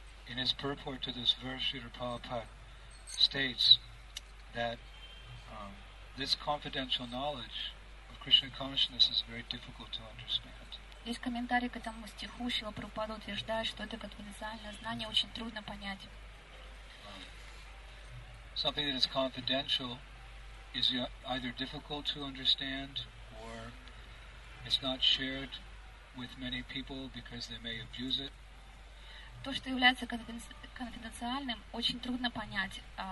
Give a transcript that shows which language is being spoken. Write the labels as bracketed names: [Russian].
[English] In his purport to this verse, Srila Prabhupada states that this confidential knowledge of Krishna consciousness is very difficult to understand. His commentary [Russian] к этому стиху Шрила Прабхупада утверждает, что это конфиденциальное знание очень трудно понять. [English] Something that is confidential is either difficult to understand or it's not shared with many people because they may abuse it. [Russian] То, что является конфиденциальным, очень трудно понять.